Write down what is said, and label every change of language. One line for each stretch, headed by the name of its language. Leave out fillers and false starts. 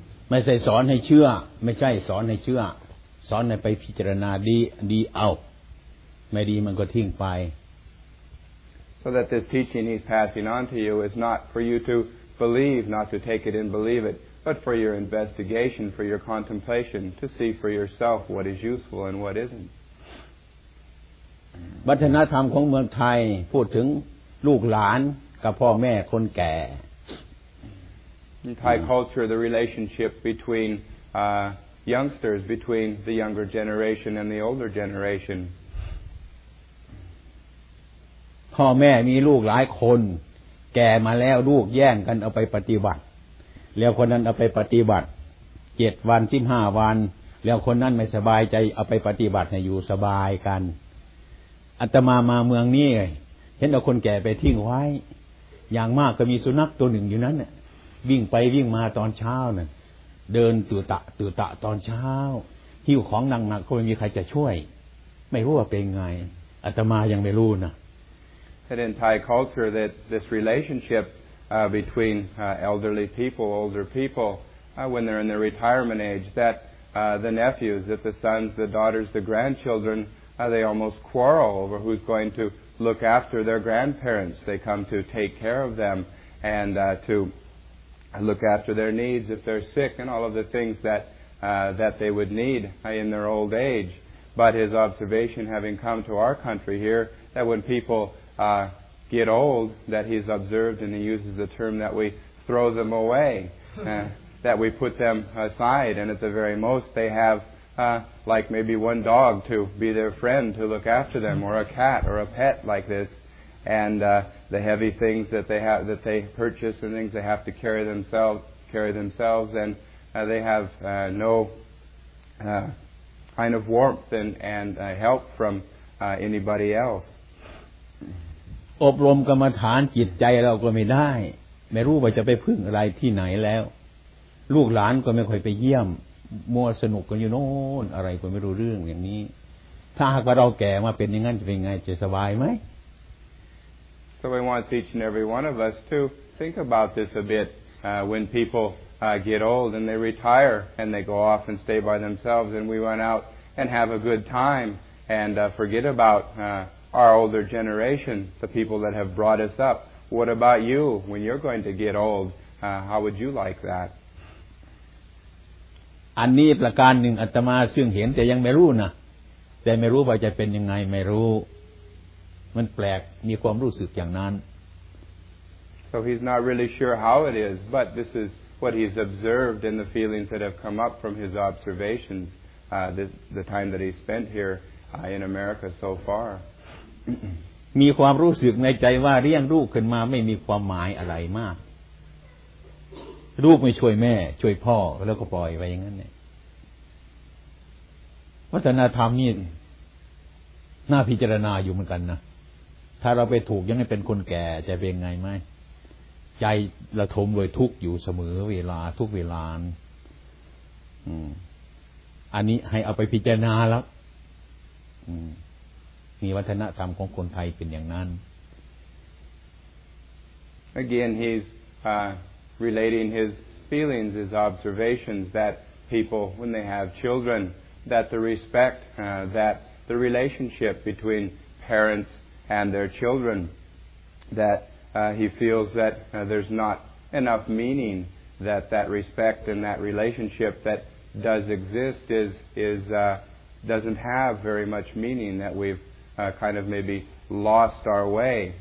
Thai: ไม่ดีมันก็ทิ้งไป
English: So that this teaching he's passing on to you is not for you to believe, not to take it and believe it, but for your investigation, for your contemplation, to see for yourself what is useful and what isn't.
Thai: วัฒนธรรมของเมืองไทยพูดถึงลูกหลานกับพ่อแม่คนแก่
English: In Thai culture, the relationship between youngsters, between the younger generation and the older generation.
Thai: พ่อแม่มีลูกหลายคนแก่มาแล้วลูกแย่งกันเอาไปปฏิบัติแล้วคนนั้นเอาไปปฏิบัติ7วัน15วันแล้วคนนั้นไม่สบายใจเอาไปปฏิบัติให้อยู่สบายกันอาตมามาเมืองนี้เห็นเอาคนแก่ไปทิ้งไว้อย่างมากก็มีสุนัขตัวหนึ่งอยู่นั้นวิ่งไปวิ่งมาตอนเช้าน่ะเดินตุตะตุตะตอนเช้าหิ้วของหนักๆก็ไม่มีใครจะช่วยไม่รู้ว่าเป็นไงอาตมายังไม่รู้นะ
English: That in Thai culture, that this relationship between elderly people, older people, when they're in their retirement age, that the nephews, that the sons, the daughters, the grandchildren, they almost quarrel over who's going to look after their grandparents. They come to take care of them and to look after their needs if they're sick and all of the things that, that they would need in their old age. But his observation, having come to our country here, that when peopleget old, that he's observed, and he uses the term that we throw them away, that we put them aside, and at the very most they have like maybe one dog to be their friend to look after them, or a cat or a pet like this, and the heavy things that they have that they purchase and things they have to carry themselves, and they have no kind of warmth and help from anybody else.
Thai: อบรมกรรมฐานจิตใจเราก็ไม่ได้ไม่รู้ว่าจะไปพึ่งอะไรที่ไหนแล้วลูกหลานก็ไม่ค่อยไปเยี่ยมมัวสนุกกันอยู่โน่นอะไรก็ไม่รู้เรื่องอย่างนี้ถ้าหากว่าเราแก่มาเป็นอย่างนั้นจะเป็นไงจะสบายไหม
English: So we want each and every one of us to think about this a bit when people get old and they retire and they go off and stay by themselves and we went out and have a good time and forget about our older generation, the people that have brought us up. What about you when you're going to get old? How would you like that?
Thai: อันนี้ประการหนึ่งอาตมาซึ่งเห็นแต่ยังไม่รู้นะแต่ไม่รู้ว่าจะเป็นยังไงไม่รู้มันแปลกมีความรู้สึกอย่างนั้น
English: So he's not really sure how it is but this is what he's observed and the feelings that have come up from his observations the time that he spent here in America so far
Thai: มีความรู้สึกในใจว่าเลี้ยงลูกขึ้นมาไม่มีความหมายอะไรมากลูกไม่ช่วยแม่ช่วยพ่อแล้วก็ปล่อยไปอย่างนั้นเนี่ย วัฒนธรรมนี่น่าพิจารณาอยู่เหมือนกันนะถ้าเราไปถูกยังไม่เป็นคนแก่จะเป็นไงไหมใจระทมโดยทุกข์อยู่เสมอเวลาทุกเวลาอันนี้ให้เอาไปพิจารณาแล้ว มีวัฒนธรรมของคนไทยเป็นอย่างนั้น
English: Again he'srelating his feelings, his observations that people, when they have children, that the respect, that the relationship between parents and their children, that he feels that there's not enough meaning, that that respect and that relationship that does exist is doesn't have very much meaning, that we've kind of maybe lost our way.